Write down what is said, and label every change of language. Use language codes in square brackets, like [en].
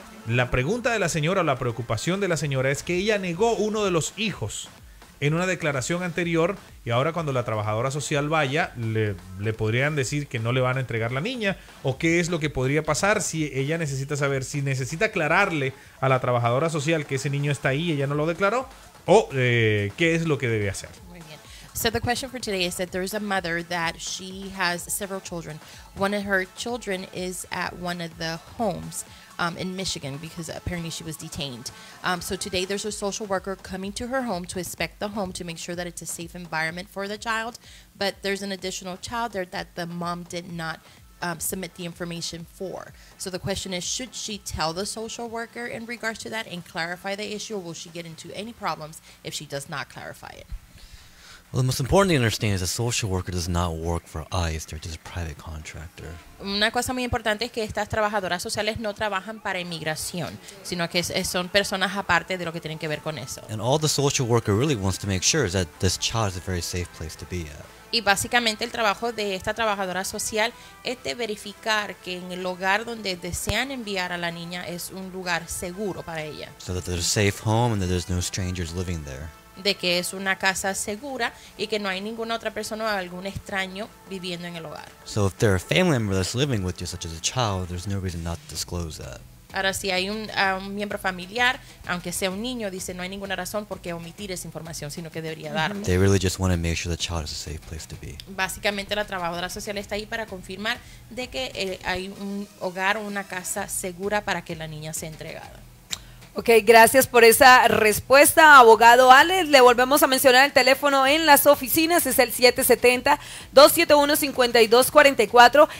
[es] La pregunta de la señora, la preocupación de la señora es que ella negó uno de los hijos en una declaración anterior, y ahora cuando la trabajadora social vaya, le podrían decir que no le van a entregar la niña, o qué es lo que podría pasar si ella necesita saber, si necesita aclararle a la trabajadora social que ese niño está ahí y ella no lo declaró, o qué es lo que debe hacer. [en] So the question for today is that there's a mother that she has several children. One of her children is at one of the homes in Michigan because apparently she was detained. So today there's a social worker coming to her home to inspect the home to make sure that it's a safe environment for the child. But there's an additional child there that the mom did not submit the information for. So the question is, should she tell the social worker in regards to that and clarify the issue, or will she get into any problems if she does not clarify it? Well, the most important thing to understand is a social worker does not work for ICE. They're just a private contractor. [es] Una cosa muy importante es que estas trabajadoras sociales no trabajan para inmigración, sino que son personas aparte de lo que tienen que ver con eso. [en] And all the social worker really wants to make sure is that this child is a very safe place to be at. [es] Y básicamente el trabajo de esta trabajadora social es de verificar que en el hogar donde desean enviar a la niña es un lugar seguro para ella. [en] So that there's a safe home and that there's no strangers living there. [es] De que es una casa segura y que no hay ninguna otra persona o algún extraño viviendo en el hogar. [en] So if there are family members living with you, such as a child, there's no reason not to disclose that. [es] Ahora, si hay un miembro familiar, aunque sea un niño, dice, no hay ninguna razón por qué omitir esa información, sino que debería darlo. [en] They really just want to make sure the child is a safe place to be. [es] Básicamente, la trabajadora social está ahí para confirmar de que hay un hogar o una casa segura para que la niña sea entregada. Ok, gracias por esa respuesta, abogado Alex. Le volvemos a mencionar el teléfono en las oficinas, es el 770-271-5244.